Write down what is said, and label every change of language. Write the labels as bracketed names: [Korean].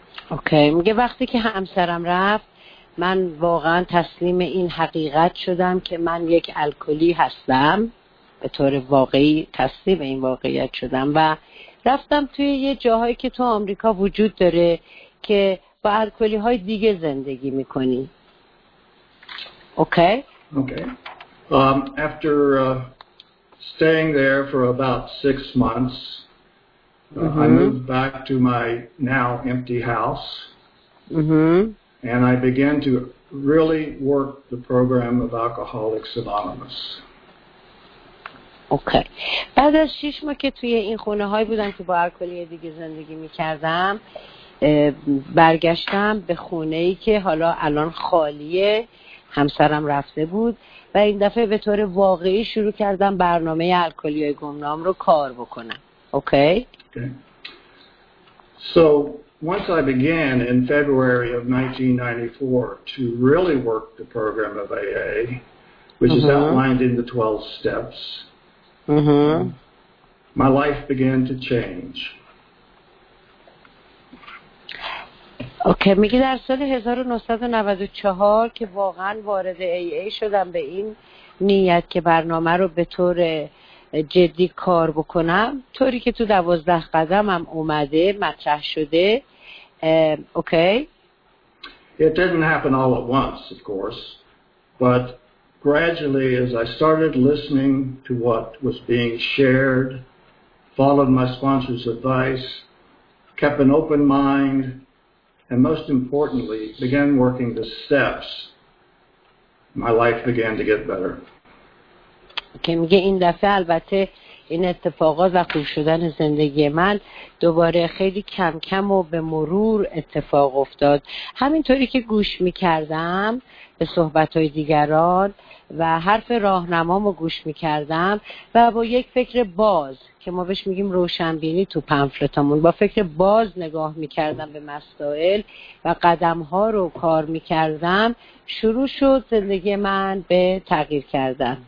[Persian] اوکی، میگه وقتی که همسرم رفت من واقعا تسلیم این حقیقت شدم که من یک الکلی هستم، به طور واقعی تسلیم این واقعیت شدم و رفتم توی یه جاهایی که تو آمریکا وجود داره که با الکلی های دیگه زندگی میکنی. اوکی؟ اوکی. [English] After staying there for about 6 months, I moved back to my now empty house. And I began to really work the program of Alcoholics Anonymous. Okay. [Persian] بعد از 6 ماه که توی این خونه های بودم که با الکلی دیگه زندگی می کردم، برگشتم به خونه ای که حالا الان خالیه، همسرم رفته بود و این دفعه به طور واقعی شروع کردم برنامه الکلی های گمنام رو کار بکنم. [English] Okay. So once I began in February of 1994 to really work the program of AA, which is outlined in the 12 steps, my life began to change. [Persian] اوکی، میگه در سال 1994 که واقعا وارد AA شدم به این نیت که برنامه رو به طور جدی کار بکنم، طوری که تو 12 قدم هم اومده مطرح شده. اوکی. [English] It didn't happen all at once, of course, but gradually as I started listening to what was being shared, followed my sponsor's advice, kept an open mind, and most importantly, began working the steps. My life began to get better. [Persian] که میگه این دفعه البته این اتفاقات و خوب شدن زندگی من دوباره خیلی کم کم و به مرور اتفاق افتاد. همینطوری که گوش میکردم به صحبتهای دیگران و حرف راهنمامو گوش میکردم و با یک فکر باز که ما بهش میگیم روشنبینی تو پنفلتامون، با فکر باز نگاه میکردم به مسائل و قدمها رو کار میکردم، شروع شد زندگی من به تغییر کردن.